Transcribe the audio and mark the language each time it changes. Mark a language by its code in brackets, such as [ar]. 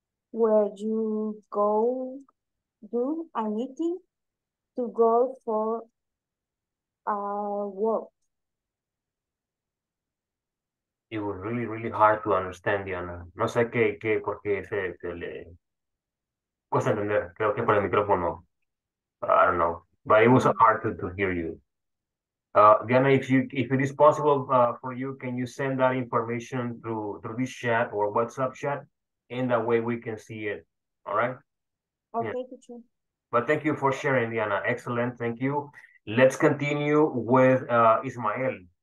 [en] Where you go do anything to go for work. It was really, really hard to understand, Diana. [es] No sé qué por qué se le cuesta entender. Creo que por el micrófono. [en] I don't know. But it was hard to hear you. Diana, if it is possible for you, can you send that information through this chat or WhatsApp chat? In that way, we can see it. All right? Okay, yeah. Teacher. But thank you for sharing, Diana. Excellent. Thank you. Let's continue with Ismael.